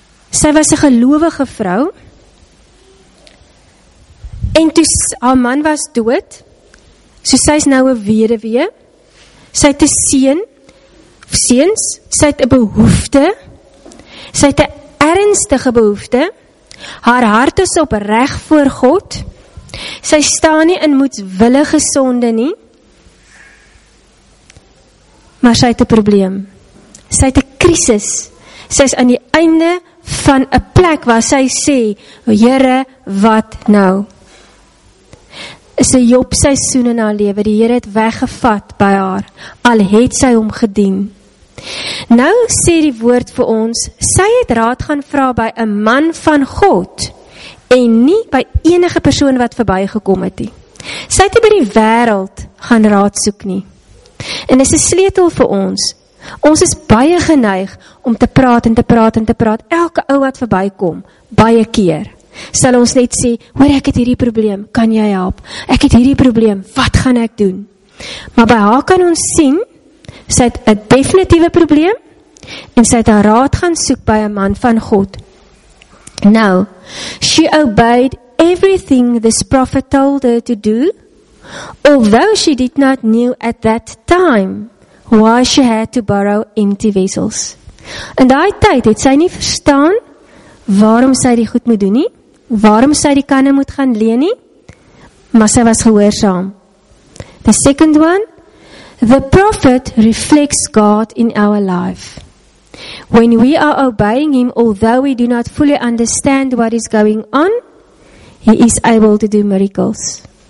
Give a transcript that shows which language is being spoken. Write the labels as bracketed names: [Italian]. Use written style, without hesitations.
[Afrikaans] Sy was 'n gelowige vrou. En toe haar man was dood, so sy is nou 'n weduwee. Sy het 'n seun, seuns, sy het 'n behoefte. Sy het 'n ernstige behoefte. Haar hart is opreg voor God. Sy staan nie in moedswillige sonde nie. Maar sy het 'n probleem. Sy het 'n krisis. Sy is aan die einde van 'n plek waar sy sê, Here, wat nou? Is 'n Job seisoen in haar lewe. Die Here het weggevat by haar. Al het sy hom gedien. Nou sê die woord vir ons, sy het raad gaan vra by 'n man van God en nie by enige persoon wat verby gekom het nie. Sy het nie by die wêreld gaan raad soek nie. En dis 'n sleutel vir ons. Ons is baie geneig om te praat en te praat en te praat elke ou wat verby kom, baie keer. sal ons net sê, hoor, ek het hierdie probleem, kan jy help? Ek het hierdie probleem, wat gaan ek doen? Maar by haar kan ons sien, sy het 'n definitiewe probleem, en sy het haar raad gaan soek by 'n man van God. [English] Nou, she obeyed everything this prophet told her to do, although she did not know at that time why she had to borrow empty vessels. [Afrikaans] In daai tyd het sy nie verstaan waarom sy die goed moet doen nie, waarom sy die kanne moet gaan leen nie, maar sy was gehoorsaam. [English] The second one, the prophet reflects God in our life. When we are obeying him, although we do not fully understand what is going on, he is able to do miracles.